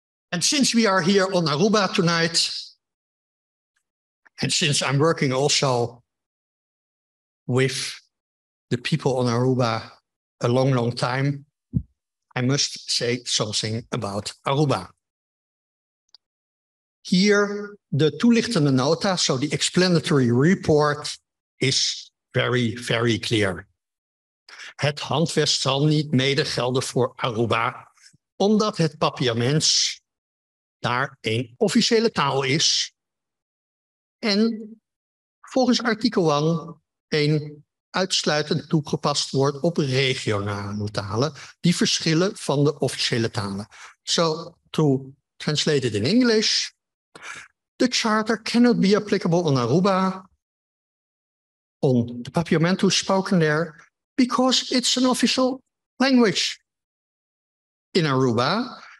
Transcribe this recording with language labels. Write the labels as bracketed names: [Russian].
[English] And since we are here on Aruba tonight, and since I'm working also with the people on Aruba a long, long time, I must say something about Aruba. Here, the toelichtende nota, so the explanatory report, is very, very clear. [Dutch] Het handvest zal niet mede gelden voor Aruba, omdat het Papiaments daar een officiële taal is. En volgens artikel 1 een uitsluitend toegepast wordt op regionale talen die verschillen van de officiële talen. [English] So, to translate it in English, the charter cannot be applicable on Aruba, on the Papiamentu spoken there, because it's an official language in Aruba.